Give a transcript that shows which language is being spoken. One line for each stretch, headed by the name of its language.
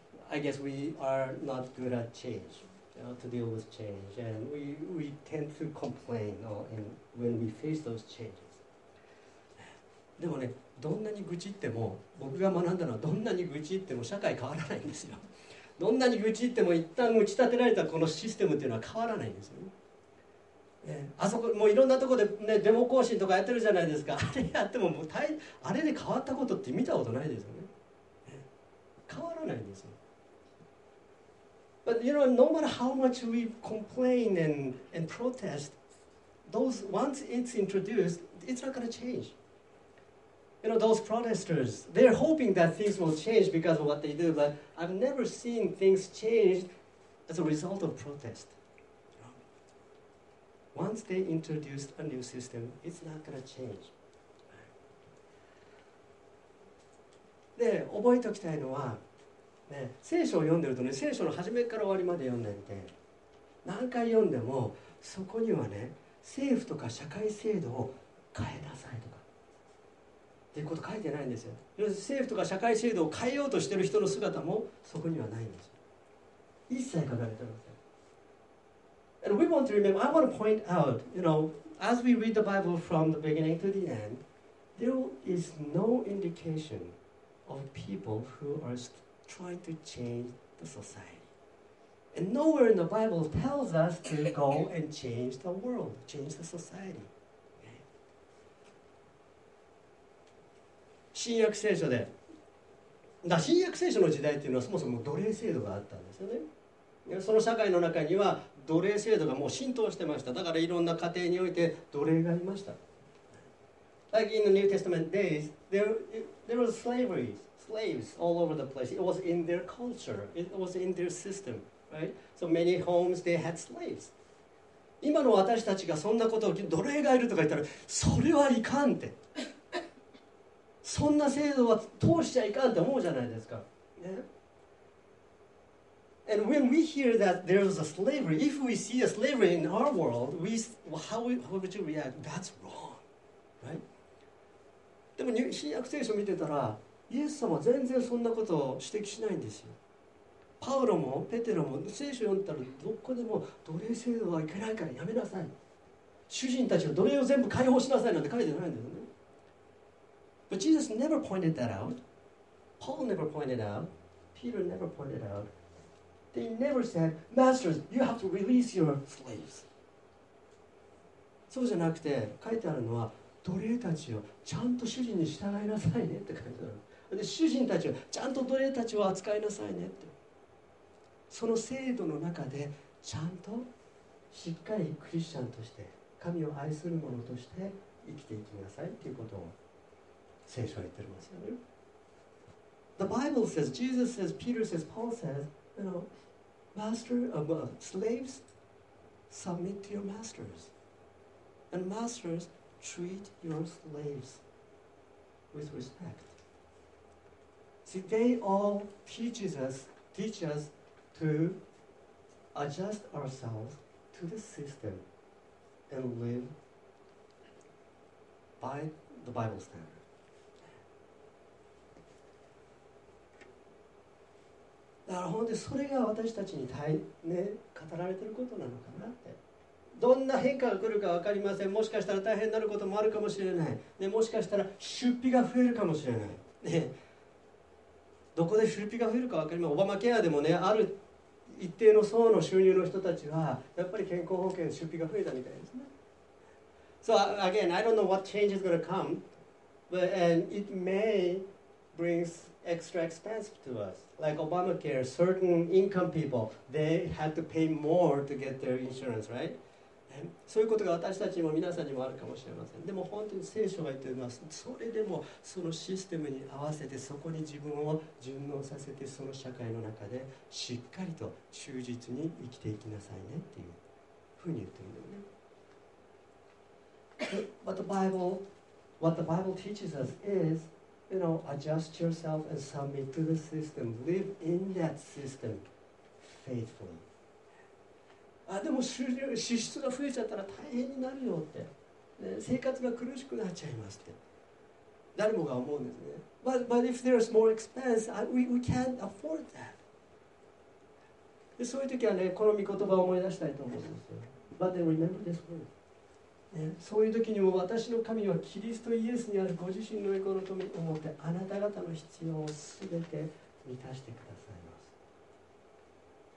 English: I guess we are not good at change, you know, to deal with change, and we tend to complain, you know, when we face those changes.
Japanese: でもね、どんなに愚痴っても、僕が学んだのはどんなに愚痴っても社会変わらないんですよ。どんなに愚痴っても一旦打ち立てられたこのシステムっていうのは変わらないんですよ。ね、あそこ、もういろんなところで、ね、デモ行進とかやってるじゃないですか。あれやってももう大あれで変わったことって見たことないですよね。ね、変わらないんですよ。
English: But you know, no matter how much we complain and protest, those once it's introduced, it's not going to change. You know, those protesters, they're hoping that things will change because of what they do, but I've never seen things change As a result of protest, once they introduced a new system, it's not going to change.
Japanese: で、覚えておきたいのは、ね、聖書を読んでるとね、聖書の初めから終わりまで読んでいて、何回読んでも、そこにはね、政府とか社会制度を変えなさいとか、っていうこと書いてないんですよ。要するに政府とか社会制度を変えようとしてる人の姿もそこにはないんですよ。一切書かれてません。
English: And we want to remember, I want to point out, you know, as we read the Bible from the beginning to the end, there is no indication of people who are trying to change the society. And nowhere in the Bible tells us to go and change the world, change the society.
Japanese: 新約聖書で、だ新約聖書の時代っていうのはそもそも奴隷制度があったんですよね。その社会の中には奴隷制度がもう浸透してました。だからいろんな家庭において奴隷がいました。
English: Like in the New Testament days, there was slavery, slaves all over the place. It was in their culture. It was in their system, right? So many homes they had slaves.
Japanese: 今の私たちがそんなことを奴隷がいるとか言ったら、それはいかんって。そんな制度は通しちゃいかんって思うじゃないですか。
English: Yeah? And when we hear that there is a slavery, if we see a slavery in our world, we, how would you react? That's wrong, right?
Japanese: でも新約聖書を見てたら、イエス様は全然そんなことを指摘しないんですよ。パウロもペテロも聖書を読んでたら、どこでも奴隷制度はいけないからやめなさい。主人たちは奴隷を全部解放しなさいなんて書いてないんですよね。
English: But Jesus never pointed that out. Paul never pointed out. Peter never pointed out. They never said, Masters, you have to release your slaves.
Japanese: そうじゃなくて、書いてあるのは、奴隷たちをちゃんと主人に従いなさいねって書いてある。で、主人たちをちゃんと奴隷たちを扱いなさいねって。その制度の中で、ちゃんとしっかりクリスチャンとして、神を愛する者として生きていきなさいっていうことを。聖書は言ってますよね。
English: The Bible says, Jesus says, Peter says, Paul says, you know, master of slaves, submit to your masters. And masters, treat your slaves with respect. See, they all teach us to adjust ourselves to the system and live by the Bible standard.
Japanese: だから本当にそれが私たちに対、ね、語られていることなのかなって。どんな変化が来るか分かりません。もしかしたら大変になることもあるかもしれない、ね、もしかしたら出費が増えるかもしれない、ね、どこで出費が増えるか分かりません。オバマケアでもね、ある一定の層の収入の人たちはやっぱり健康保険出費が増えたみたいですね。
English: So again, I don't know what change is going to come, but and it may brings extra expense to us. Like Obamacare, certain income people, they had to pay more to get their insurance, right?
Japanese: そういうことが私たちにも皆さんにもあるかもしれません。でも本当に聖書が言っています。それでもそのシステムに合わせてそこに自分を順応させてその社会の中でしっかりと忠実に生きていきなさいねっていうふうに言っているんだよね。
English: But the Bible, what the Bible teaches us isYou know, adjust yourself and submit to the system. Live in that system faithfully.
Japanese: あ、でも支出が増えちゃったら大変になるよって、ね、生活が苦しくなっちゃいますって誰もが思うんですね。
English: But if there's more expense, we can't afford that.
Japanese: でそういう時はね、この御言葉を思い出したいと思うんですよ。
English: But then remember this word.
Japanese: ね、そういう時にも私の神はキリストイエスにあるご自身の栄光のためを思ってあなた方の必要をすべて満たしてくださいます。